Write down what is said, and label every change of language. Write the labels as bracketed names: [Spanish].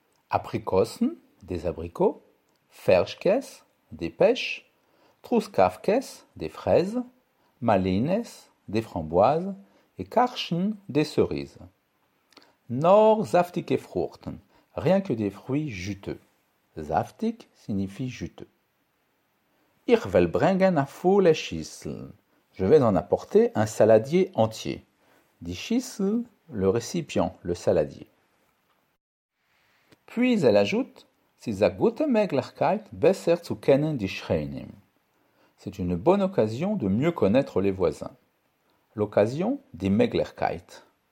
[French] Aprikosen, des abricots. Ferschkes, des pêches. Truskafkes, des fraises. Malines, des framboises. Et karschen, des cerises. [Yiddish] Nor saftige Fruchten, [French] rien que des fruits juteux. Saftig signifie juteux. [Yiddish] Ich will bringen a volle Schüssel. [French] Je vais en apporter un saladier entier. Die Schüssel, le récipient, le saladier. Puis elle ajoute, c'est une [Yiddish] gute Möglichkeit, besser zu kennen die Schreinim. [French] C'est une bonne occasion de mieux connaître les voisins. L'occasion, die Möglichkeit.